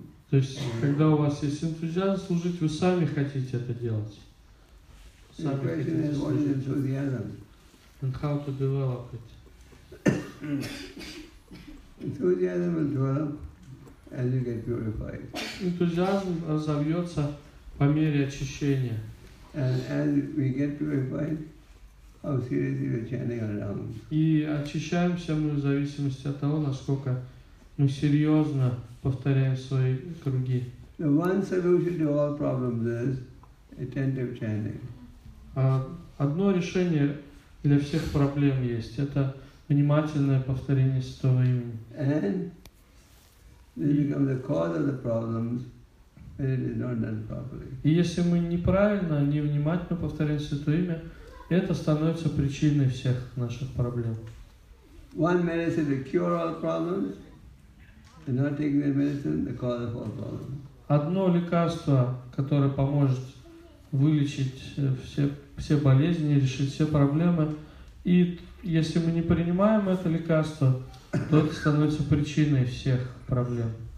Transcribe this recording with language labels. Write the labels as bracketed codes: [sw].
[ru] То есть, когда у вас есть энтузиазм служить, вы сами хотите это делать. Сами хотите служить. [en] And how to develop it. Enthusiasm will develop as you get purified. [ru] Энтузиазм разовьется по мере очищения. [en] And as we get purified, how seriously we're chanting our rounds. [ru] И очищаемся мы в зависимости от того, насколько мы серьезно повторяем свои круги. [en] The one solution to all problems is attentive chanting. [ru] Одно решение для всех проблем есть. Это внимательное повторение Святого Имени. [en] And this becomes the cause of the problems. It is not done properly. [ru] И если мы неправильно, невнимательно повторяем Святое Имя, это становится причиной всех наших проблем. [en] One medicine to cure all problems, and not taking the medicine, the cause of all problems. [ru] Одно лекарство, которое поможет вылечить все болезни, решить все проблемы, и если мы не принимаем это лекарство, то это становится причиной всех проблем.